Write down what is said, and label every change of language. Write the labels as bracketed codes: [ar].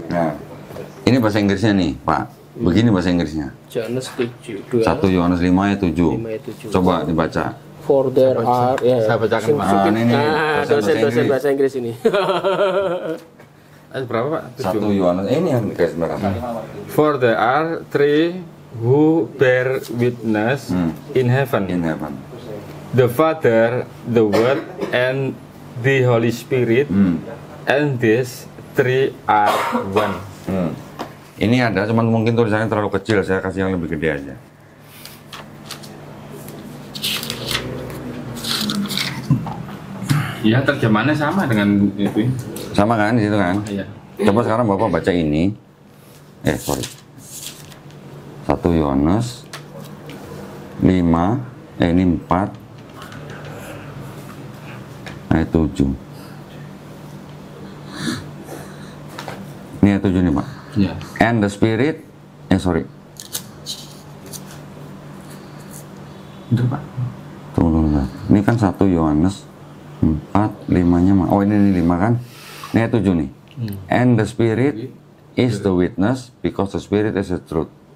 [id] Nah, ini bahasa Inggrisnya nih, Pak. Begini bahasa Inggrisnya. Johannes 1 Yohanes 5 ayat 7. Coba dibaca. [en] For there are... [id] Yeah. Saya bacakan, Pak. Nah, ini nih, dosen-dosen bahasa Inggris ini. Ayat berapa, Pak? 1 Yohanes. Ini yang kayak sebenarnya. [en] For there are three who bear witness in heaven. In heaven. The Father, the Word, and the Holy Spirit, and these three are one. [id] Ini ada, cuman mungkin tulisannya terlalu kecil, saya kasih yang lebih gede aja. Iya, terjemahannya sama dengan itu. Sama kan, di situ kan? Iya. Coba sekarang Bapak baca ini. Sorry. 1 Yohanes 5, ini 4, ayat 7. Ini ayat 7 nih, Pak. [en] Yeah. And the Spirit, [id] ini kan 1 Yohanes 4, 5-nya, oh ini 5 kan? Ini ayat 7 nih. [en] And the Spirit is the witness, because the Spirit is the truth.